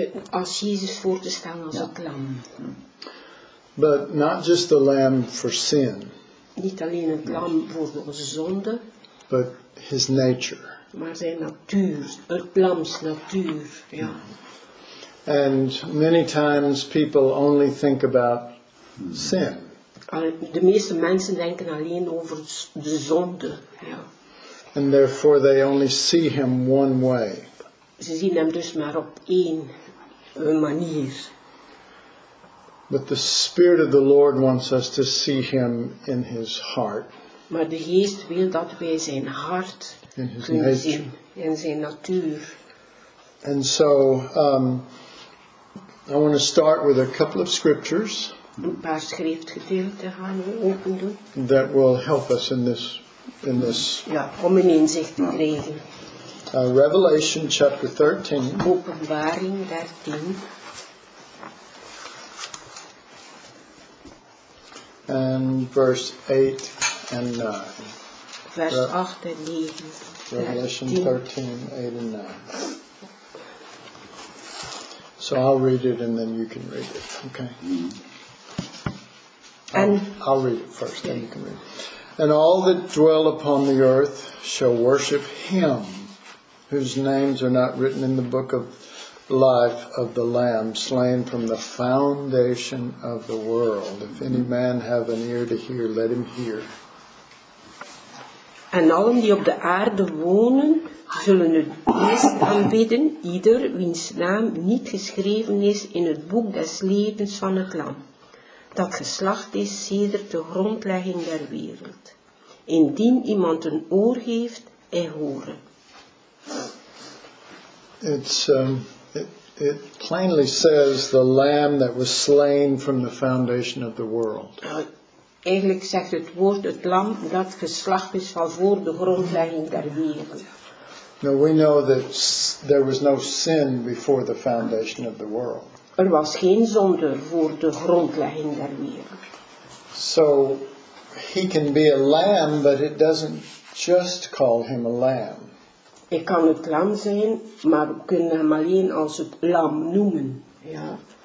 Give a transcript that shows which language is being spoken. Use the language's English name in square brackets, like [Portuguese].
[Dutch] Als Jezus voor te staan als het lam. [English] But not just the Lamb for sin. [Dutch] Niet alleen het lam voor onze zonde. [English] But his nature. [Dutch] Maar zijn natuur, het lams natuur. Ja. [English] And many times people only think about sin. [Dutch] De meeste mensen denken alleen over de zonde. Ja. [English] And therefore they only see him one way. [Dutch] Ze zien hem dus maar op één manier. [English] But the Spirit of the Lord wants us to see him in his heart. [Dutch] Maar de Geest wil dat wij zijn hart kunnen zien. In zijn natuur. [English] And so, I want to start with a couple of scriptures. [Dutch] Een paar schriftgedeelten gaan we open doen. [English] That will help us in this. [Dutch] Ja, om een inzicht te krijgen. [English] Revelation chapter 13. [Dutch] Openbaring 13. [English] And verse 8 and 9. [Dutch] Vers 8 en 9. [English] Revelation 13, 8 and 9. So I'll read it and then you can read it, okay? I'll read it first, then you can read it. And all that dwell upon the earth shall worship him whose names are not written in the book of life of the Lamb, slain from the foundation of the world. If any man have an ear to hear, let him hear. [Dutch] En allen die op de aarde wonen, zullen het beest aanbidden, ieder wiens naam niet geschreven is in het boek des levens van het Lam, dat geslacht is sedert de grondlegging der wereld. Indien iemand een oor heeft, hij horen. [English] It plainly says the Lamb that was slain from the foundation of the world. [Dutch] Eigenlijk zegt het woord het lam dat geslacht is van voor de grondlegging der wereld. [English] Now we know that there was no sin before the foundation of the world. [Dutch] Er was geen zonde voor de grondlegging der wereld. [English] So he can be a lamb, but it doesn't just call him a lamb. [Dutch] Ik kan het lam zijn, maar we kunnen hem alleen als het lam noemen. Ja.